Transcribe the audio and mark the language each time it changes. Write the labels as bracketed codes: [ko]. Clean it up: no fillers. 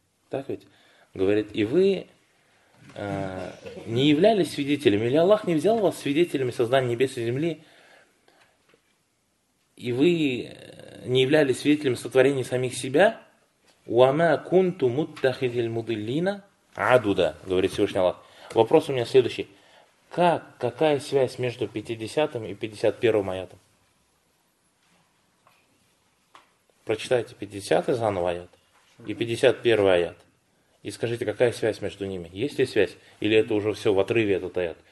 [ru] Так ведь? Говорит, и вы не являлись свидетелями, или Аллах не взял вас свидетелями создания небес и земли, и вы не являлись свидетелями сотворения самих себя. [ar] وَمَا كُنْتُ مُتَّخِذَ الْمُضِلِّينَ عَدُودَ, [ru] говорит Всевышний Аллах. Вопрос у меня следующий. Какая связь между 50-м и 51-м аятом? Прочитайте 50-й заново аят и 51-й аят. И скажите, какая связь между ними? Есть ли связь? Или это уже все в отрыве, этот аят?